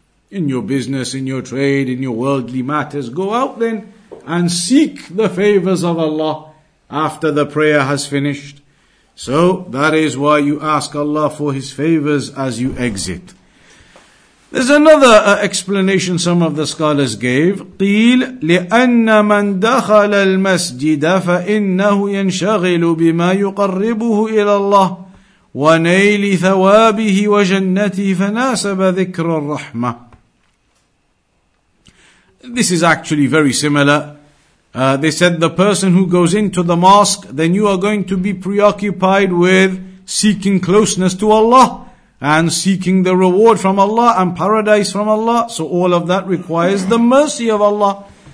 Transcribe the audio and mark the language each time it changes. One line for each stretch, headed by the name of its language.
English: In your business, in your trade, in your worldly matters, go out then and seek the favors of Allah after the prayer has finished. So that is why you ask Allah for His favors as you exit. There's another explanation some of the scholars gave.
Arabic: قيل لأن من دخل المسجد فإنه ينشغل بما يقربه إلى الله ونيل ثوابه وجنته فناسب ذكر الرحمة.
English: This is actually very similar. They said the person who goes into the mosque, then you are going to be preoccupied with seeking closeness to Allah and seeking the reward from Allah and paradise from Allah. So all of that requires the mercy of Allah.